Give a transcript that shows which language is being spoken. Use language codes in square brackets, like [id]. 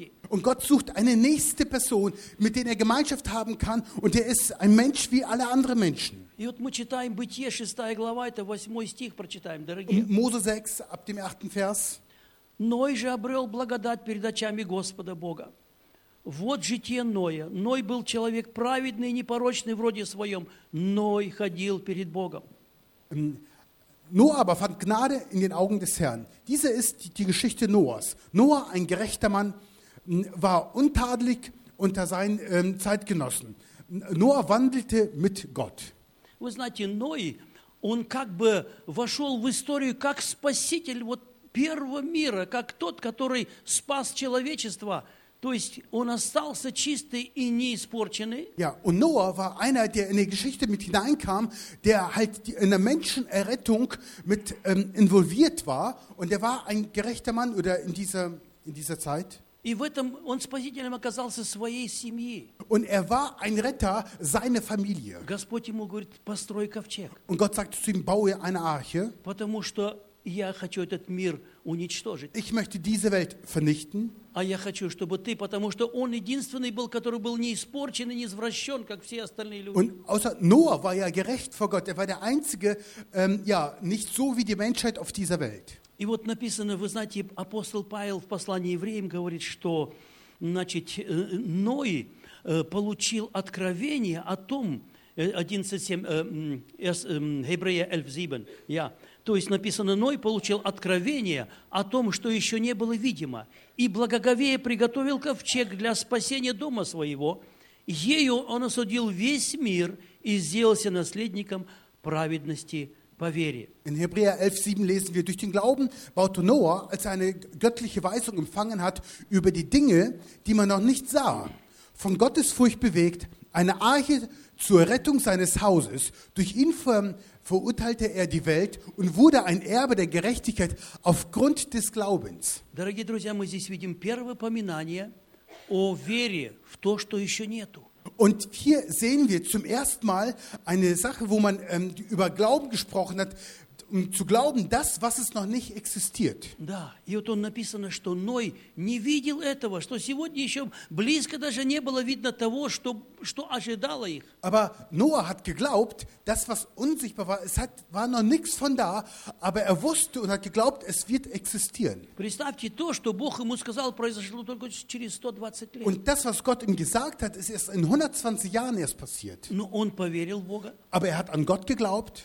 [de] Und Gott sucht eine nächste Person, mit der er Gemeinschaft haben kann, und er ist ein Mensch wie alle anderen Menschen. [ru] И вот мы читаем Бытие, 6 глава, это 8 стих прочитаем, дорогие. [de] Мозе 6, ab dem 8. Vers. [ru] Ной же обрел благодать перед очами Господа Бога. Вот житие Ноя. Ной был человек праведный и непорочный в роде своем. Ной ходил перед Богом. [de] Noah aber fand Gnade in den Augen des Herrn. Diese ist die Geschichte Noahs. Noah, ein gerechter Mann, war untadelig unter seinen Zeitgenossen. Noah wandelte mit Gott. [ru] Вы знаете, Ной, он как бы вошел в историю как спаситель вот первого мира, как тот, который спас человечество. То есть он остался чистый и не испорченный. [de] Ja, und Noah war einer, der in die Geschichte mit hineinkam, der halt in der Menschenrettung mit involviert war und er war ein gerechter Mann oder in dieser Zeit. [ru] И в этом он спасителем оказался своей семьи. [de] Und er war ein Retter seiner Familie. [ru] Господь ему говорит: «Построй ковчег». [de] Und Gott sagte zu ihm: «Baue eine Arche». [ru] Потому что я хочу этот мир уничтожить. [de] Ich möchte diese Welt vernichten. [ru] А я хочу, чтобы ты, потому что он единственный был, который был не испорчен и не извращен, как все остальные люди. [de] Und außer Noah war ja gerecht vor Gott. Er war der einzige, ja, nicht so wie die Menschheit auf dieser Welt. [ru] И вот написано, вы знаете, апостол Павел в послании евреям говорит, что, значит, Ной получил откровение о том, 11:7, то есть написано, Ной получил откровение о том, что еще не было видимо, и благоговея приготовил ковчег для спасения дома своего, ею он осудил весь мир и сделался наследником праведности по вере. [de] In Hebräer 11,7 lesen wir, durch den Glauben baute Noah, als er eine göttliche Weisung empfangen hat, über die Dinge, die man noch nicht sah, von Gottes Furcht bewegt, eine Arche zur Rettung seines Hauses. Durch ihn verurteilte er die Welt und wurde ein Erbe der Gerechtigkeit aufgrund des Glaubens. [ru] Дорогие друзья, мы здесь видим первое упоминание о вере в то, что еще нету. [de] Und hier sehen wir zum ersten Mal eine Sache, wo man über Glauben gesprochen hat, um zu glauben, das, was es noch nicht existiert. [ru] Да, и вот он написано, что Ной не видел этого, что сегодня еще близко даже не было видно того, что ожидало их. [de] Aber Noah hat geglaubt, das, was unsichtbar war, war noch nichts von da, aber er wusste und hat geglaubt, es wird existieren. [ru] Представьте, то, что Бог ему сказал, произошло только через 120 лет. [de] Und das, was Gott ihm gesagt hat, ist erst in 120 Jahren erst passiert. [ru] Но он поверил Бога. [de] Aber er hat an Gott geglaubt.